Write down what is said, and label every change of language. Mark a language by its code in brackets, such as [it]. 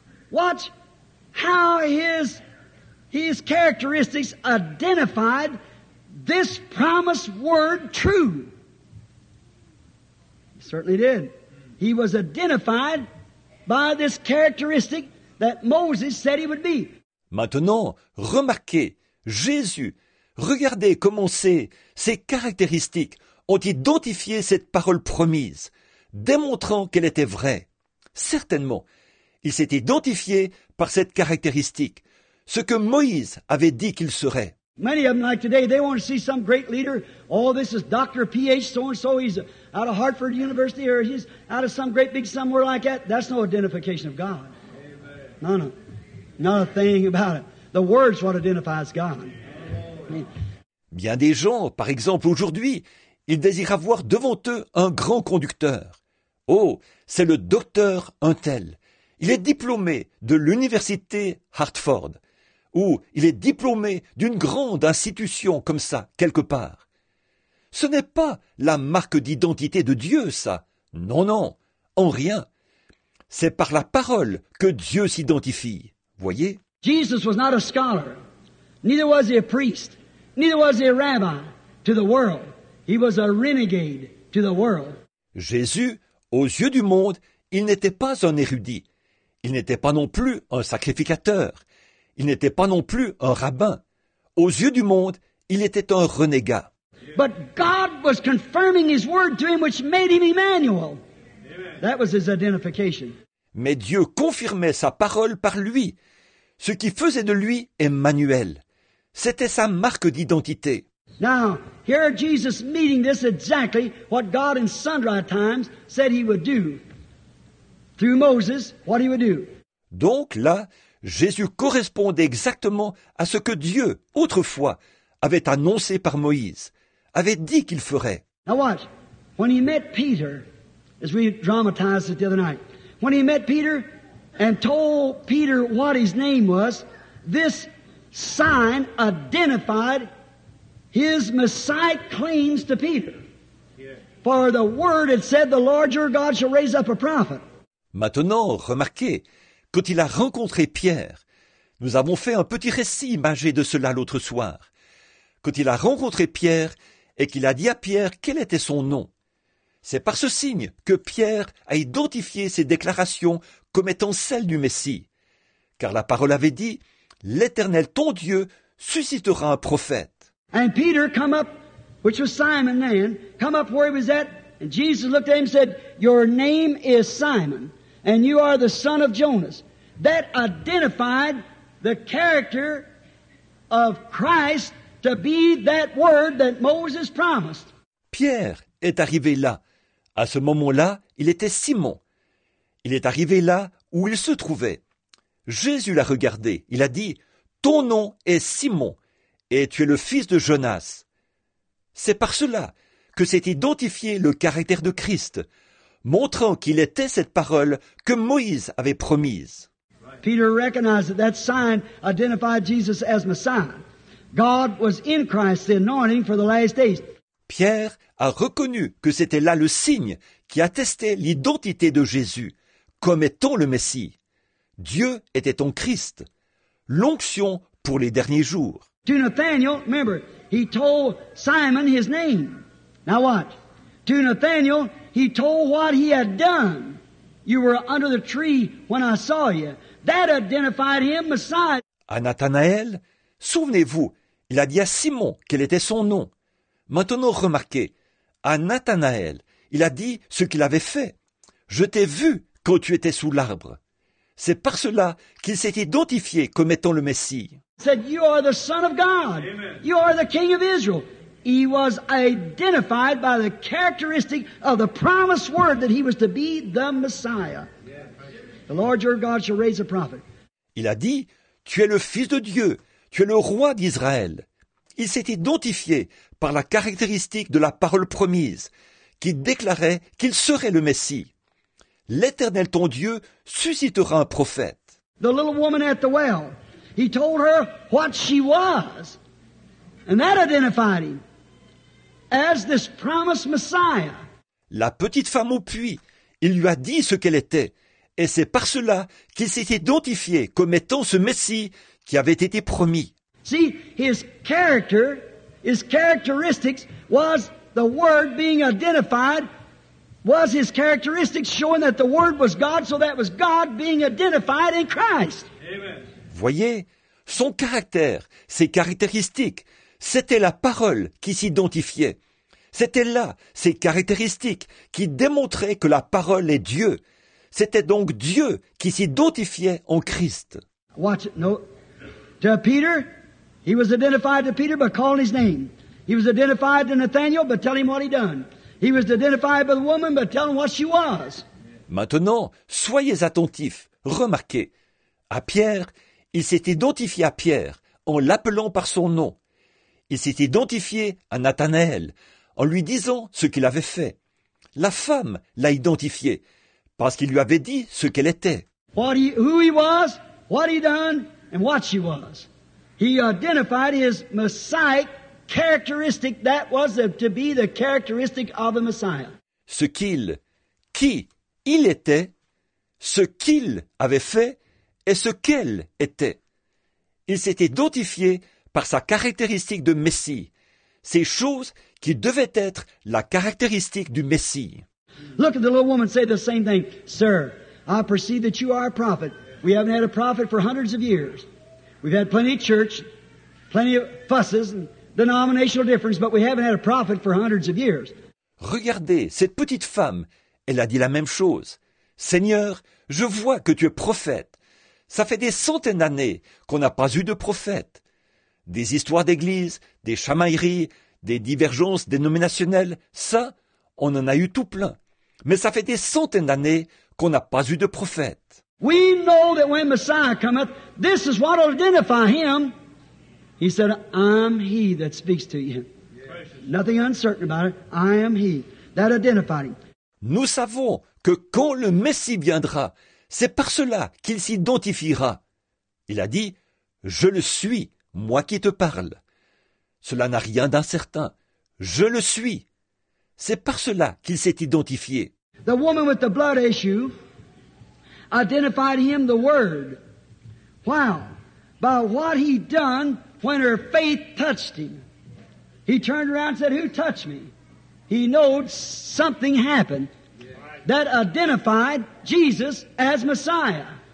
[en] Watch how his characteristics identified this promised word true. He certainly did. He was identified by this characteristic that Moses said he would be. [fr] Maintenant, remarquez, Jésus, regardez comment ces caractéristiques ont identifié cette parole promise, démontrant qu'elle était vraie. Certainement, il s'est identifié par cette caractéristique, ce que Moïse avait dit qu'il serait. [en] Many of them, like today, they want to see some great leader. Oh, this is Dr. P.H. so-and-so. He's out of Hartford University, or he's out of some great big somewhere like that. That's no identification of God. Amen. No, no. Not a thing about it. The word's what identifies God. [fr] Bien des gens, par exemple aujourd'hui, ils désirent avoir devant eux un grand conducteur. Oh, c'est le docteur Untel. Il est diplômé de l'université Hartford. Ou il est diplômé d'une grande institution comme ça, quelque part. Ce n'est pas la marque d'identité de Dieu, ça. Non, non, en rien. C'est par la parole que Dieu s'identifie. Voyez ? [en] Jesus was not a scholar. Neither was he a priest, neither was he a rabbi to the world. He was a renegade to the world. [fr] Jésus, aux yeux du monde, il n'était pas un érudit. Il n'était pas non plus un sacrificateur. Il n'était pas non plus un rabbin. Aux yeux du monde, il était un renégat. [en] But God was confirming his word to him, which made him Emmanuel. That was his identification. [fr] Mais Dieu confirmait sa parole par lui. Ce qui faisait de lui Emmanuel, c'était sa marque d'identité. [en] Now, here Jesus meeting this exactly what God in sundry times said He would do through Moses, what He would do. [fr] Donc là, Jésus correspondait exactement à ce que Dieu, autrefois, avait annoncé par Moïse, avait dit qu'il ferait. [en] Now watch, when He met Peter, as we dramatized it the other night, when He met Peter and told Peter what his name was, this sign identified His Messiah claims to Peter. For the word had said, the Lord your God shall raise up a prophet. [fr] Maintenant, remarquez, quand il a rencontré Pierre, nous avons fait un petit récit imagé de cela l'autre soir. Quand il a rencontré Pierre et qu'il a dit à Pierre quel était son nom, c'est par ce signe que Pierre a identifié ses déclarations comme étant celles du Messie. Car la parole avait dit, l'Éternel ton Dieu suscitera un prophète. [en] And Peter come up, which was Simon then, come up where he was at, and Jesus looked at him and said, your name is Simon, and you are the son of Jonas. That identified the character of Christ to be that word that Moses promised. [fr] Pierre est arrivé là. À ce moment-là, il était Simon. Il est arrivé là où il se trouvait. Jésus l'a regardé. Il a dit, ton nom est Simon. Et tu es le fils de Jonas. C'est par cela que s'est identifié le caractère de Christ, montrant qu'il était cette parole que Moïse avait promise. [en] Peter recognized that sign identified Jesus as Messiah. God was in Christ, the anointing for the last days. [fr] Pierre a reconnu que c'était là le signe qui attestait l'identité de Jésus comme étant le Messie. Dieu était en Christ, l'onction pour les derniers jours. [en] To Nathanael, remember, he told Simon his name. Now watch. To Nathanael, he told what he had done. You were under the tree when I saw you. That identified him, Messiah. [fr] À Nathanaël, souvenez-vous, il a dit à Simon quel était son nom. Maintenant remarquez, à Nathanaël, il a dit ce qu'il avait fait. Je t'ai vu quand tu étais sous l'arbre. C'est par cela qu'il s'est identifié comme étant le Messie. [en] Said, you are the Son of God. Amen. You are the King of Israel. He was identified by the characteristic of the promised word that he was to be the Messiah. The Lord your God shall raise a prophet. [fr] Il a dit, tu es le Fils de Dieu, tu es le Roi d'Israël. Il s'est identifié par la caractéristique de la parole promise qui déclarait qu'il serait le Messie. L'Éternel ton Dieu suscitera un prophète. [en] The little woman at the well. He told her what she was, and that identified him as this promised Messiah. [fr] La petite femme au puits, il lui a dit ce qu'elle était, et c'est par cela qu'il s'est identifié comme étant ce Messie qui avait été promis. [en] See, his character, his characteristics was the word being identified, was his characteristics showing that the word was God, so that was God being identified in Christ. Amen. [fr] Voyez, son caractère, ses caractéristiques, c'était la parole qui s'identifiait. C'était là ses caractéristiques qui démontraient que la parole est Dieu. C'était donc Dieu qui s'identifiait en Christ. [en] Watch it. No. To Peter, he was identified to Peter by calling his name. He was identified to Nathanael by telling him what he done. He was identified by the woman by telling what she was. [fr] Maintenant, soyez attentifs, remarquez. À Pierre, il s'est identifié à Pierre en l'appelant par son nom. Il s'est identifié à Nathanaël en lui disant ce qu'il avait fait. La femme l'a identifié parce qu'il lui avait dit ce qu'elle était. [en] Who he was, what he done, and what she was. He identified his Messiah characteristic that was to be the characteristic of the Messiah. [fr] Ce qu'il, qui il était, ce qu'il avait fait, et ce qu'elle était. Il s'est identifié par sa caractéristique de Messie, ces choses qui devaient être la caractéristique du Messie. [en] Look at the little woman say the same thing. Sir, I perceive that you are a prophet. We haven't had a prophet for hundreds of years. We've had plenty of church, plenty of fusses and denominational difference, but we haven't had a prophet for hundreds of years. [fr] Regardez, cette petite femme, elle a dit la même chose. Seigneur, je vois que tu es prophète. Ça fait des centaines d'années qu'on n'a pas eu de prophète. Des histoires d'église, des chamailleries, des divergences dénominationnelles, ça, on en a eu tout plein. Mais ça fait des centaines d'années qu'on n'a pas eu de prophète. [en] We know that when Messiah cometh, this is what will identify him. He said, I'm he that speaks to you. Nothing uncertain about it. I am he. That identified him. [fr] Nous savons que quand le Messie viendra, c'est par cela qu'il s'identifiera. Il a dit, je le suis, moi qui te parle. Cela n'a rien d'incertain. Je le suis. C'est par cela qu'il s'est identifié. [en] The woman with the blood issue identified him the word. Wow. By what he done when her faith touched him. He turned around and said, who touched me? He knowed something happened that identified Jesus as Messiah.